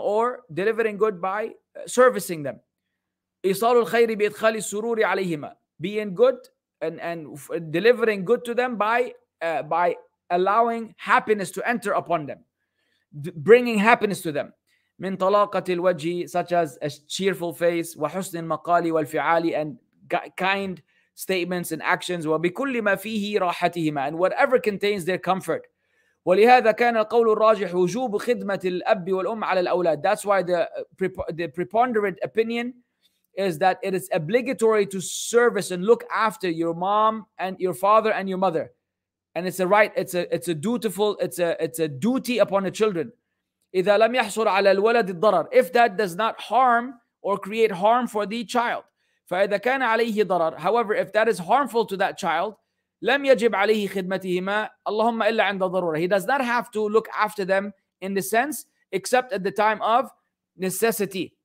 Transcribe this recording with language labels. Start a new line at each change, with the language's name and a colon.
English: Or delivering good by servicing them.
Arabic: إيصال الخير بإدخال السرور عليهما.
English: Being good and delivering good to them by allowing happiness to enter upon them. Bringing happiness to them.
Arabic: من طلاقة الوجه,
English: such as a cheerful face.
Arabic: وحسن المقال والفعال,
English: and kind statements and actions.
Arabic: وبكل ما فيه راحتهما,
English: and whatever contains their comfort.
Arabic: ولهذا كان القول الراجح وجوب خدمة الأب والأم على الأولاد.
English: That's why the preponderant opinion is that it is obligatory to service and look after your mom and your father and your mother. And it's a right, it's a dutiful, it's a duty upon the children.
Arabic: إذا لم يحصل على الولد الضرر.
English: If that does not harm or create harm for the child.
Arabic: فإذا كان عليه ضرر.
English: However, if that is harmful to that child,
Arabic: لم يجب عليه خدمتهما اللهم إلا عند ضرورة.
English: He does not have to look after them in the sense, except at the time of necessity.